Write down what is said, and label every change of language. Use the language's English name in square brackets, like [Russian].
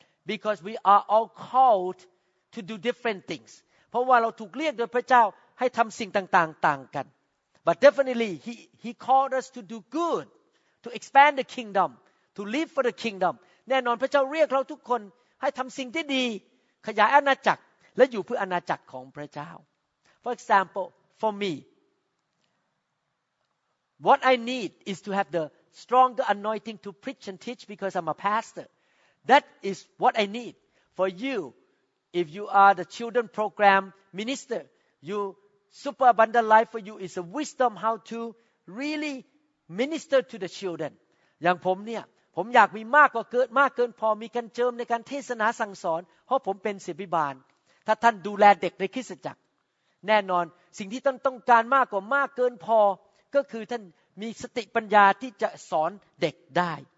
[English] Because we are all called to do different things [Thai] เพราะว่าเราถูกเรียกโดยพระเจ้าให้ทำสิ่งต่างๆต่างกัน [English] But definitely he called us to do good, to expand the kingdom, to live for the kingdom. [Thai] แน่นอนพระเจ้าเรียกเราทุกคนให้ทำสิ่งที่ดีขยายอาณาจักรและอยู่เพื่ออาณาจักรของพระเจ้า [English] For example, for me, what I need is to have the stronger anointing to preach and teach because I'm a pastor. That is what I need. For you, if you are the children program minister, your super abundant life for you is a wisdom how to really minister to the children. [Thai] อย่างผมเนี่ยผมอยากมีมากกว่าเกิดมากเกินพอมีการเจิมในการเทศนาสั่งสอนเพราะผมเป็นศิษย์ภิบาลถ้าท่านดูแลเด็กในคริสตจักรแน่นอนสิ่งที่ท่านต้องการมากกว่ามากเกินพอก็คือท่านมีสติปัญญาที่จะสอนเด็กได้